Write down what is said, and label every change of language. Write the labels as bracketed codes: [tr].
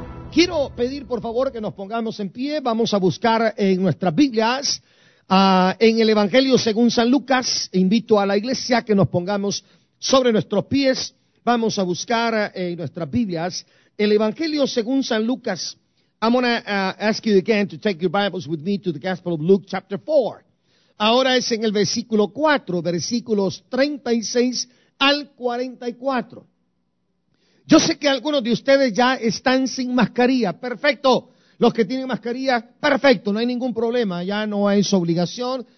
[es] Quiero pedir, por favor, que nos pongamos en pie. Vamos a buscar en nuestras Biblias, en el Evangelio según San Lucas. Invito a la iglesia que nos pongamos sobre nuestros pies. Vamos a buscar en nuestras Biblias el Evangelio según San Lucas. [en] I'm going to ask you again to take your Bibles with me to the Gospel of Luke, chapter 4. [es] Ahora es en el versículo 4, versículos 36 al 44. Yo sé que algunos de ustedes ya están sin mascarilla. Perfecto. Los que tienen mascarilla, perfecto. No hay ningún problema. Ya no es obligación.